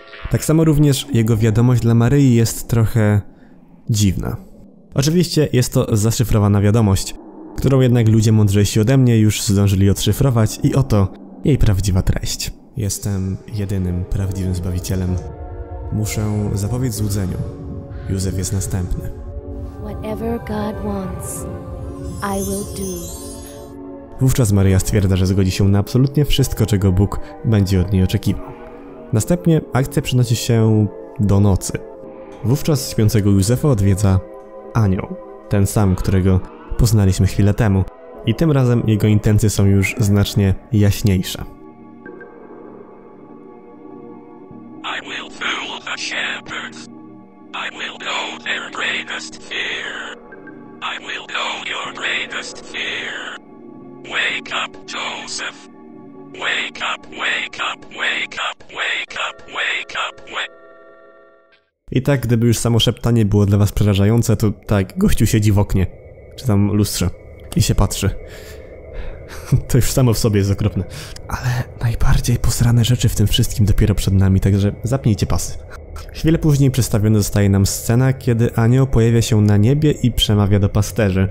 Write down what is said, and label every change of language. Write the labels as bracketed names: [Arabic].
[Polish] Tak samo również jego wiadomość dla Maryi jest trochę dziwna. Oczywiście jest to zaszyfrowana wiadomość, którą jednak ludzie mądrzejsi ode mnie już zdążyli odszyfrować i oto jej prawdziwa treść. Jestem jedynym prawdziwym zbawicielem. Muszę zapobiec złudzeniu. Józef jest następny. [English] Whatever God wants, I will do. [Polish] Wówczas Maryja stwierdza, że zgodzi się na absolutnie wszystko, czego Bóg będzie od niej oczekiwał. Następnie akcja przenosi się do nocy. Wówczas śpiącego Józefa odwiedza anioł, ten sam, którego poznaliśmy chwilę temu. I tym razem jego intencje są już znacznie jaśniejsze. [English] I will fool the shepherds. I will know their greatest fear. your greatest fear. Wake up, Joseph. Wake up, wake up, wake up, wake up, wake up, wake up. [Polish] I tak, gdyby już samo szeptanie było dla was przerażające, to tak, gościu siedzi w oknie, czy tam lustrze, i się patrzy. To już samo w sobie jest okropne. Ale najbardziej posrane rzeczy w tym wszystkim dopiero przed nami, także zapnijcie pasy. Chwilę później przedstawiona zostaje nam scena, kiedy anioł pojawia się na niebie i przemawia do pasterzy.